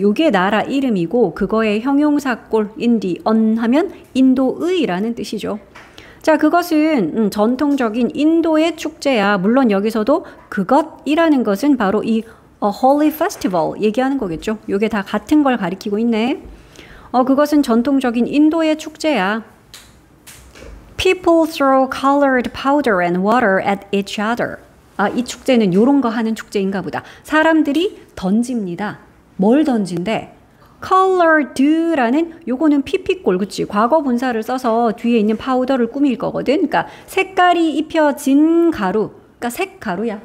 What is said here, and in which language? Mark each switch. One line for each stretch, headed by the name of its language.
Korean: 요게 나라 이름이고 그거의 형용사꼴 Indian 하면 인도의라는 뜻이죠. 자, 그것은 전통적인 인도의 축제야. 물론 여기서도 그것이라는 것은 바로 이
English: A holy festival
Korean: 얘기하는 거겠죠. 요게 다 같은 걸 가리키고 있네. 그것은 전통적인 인도의 축제야.
English: People throw colored powder and water at each other.
Korean: 아, 이 축제는 요런 거 하는 축제인가 보다. 사람들이 던집니다. 뭘 던진대? colored라는 요거는 피피꼴, 그치? 과거 분사를 써서 뒤에 있는 파우더를 꾸밀 거거든. 그러니까 색깔이 입혀진 가루. 그러니까 색 가루야.